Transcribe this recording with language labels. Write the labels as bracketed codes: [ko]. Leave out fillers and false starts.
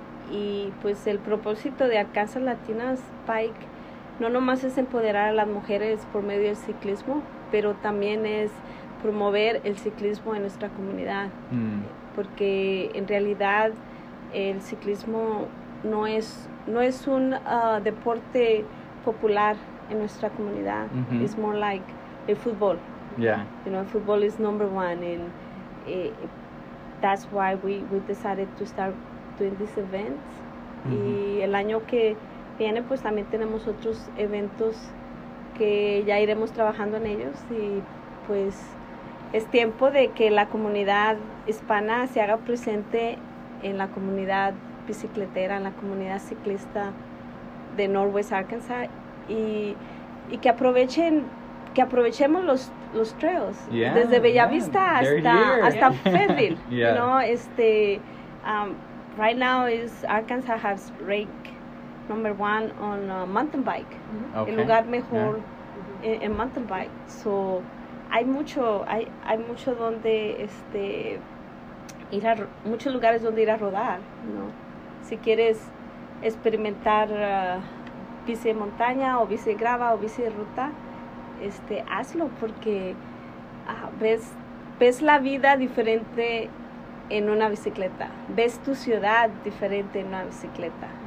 [es] Y pues el propósito de Arkansas Latinas Bike no nomás es empoderar a las mujeres por medio del ciclismo, pero también es promover el ciclismo en nuestra comunidad. Mm. Porque en realidad el ciclismo no es un deporte popular en nuestra comunidad. Mm-hmm. [en] It's more like [es] el fútbol. [en] Yeah. You know, football is number one, and that's why we decided to start doing this event. Mm-hmm. [es] Y el año que viene pues también tenemos otros eventos que ya iremos trabajando en ellos, y pues es tiempo de que la comunidad hispana se haga presente en la comunidad bicicletera, en la comunidad ciclista de Northwest Arkansas, y que aprovechen, que aprovechemos los trails. [en] Yeah, [es] desde Bellavista, [en] yeah, [es] hasta Fayetteville. [en] Yeah. You know, right now is Arkansas has ranked number one on mountain bike. Mm-hmm. Okay. [es] El lugar mejor, yeah, en mountain bike. So hay mucho donde ir a muchos lugares donde ir a rodar, ¿no? Si quieres experimentar bici de montaña o bici de grava o bici de ruta, hazlo, porque ves la vida diferente en una bicicleta, ves tu ciudad diferente en una bicicleta.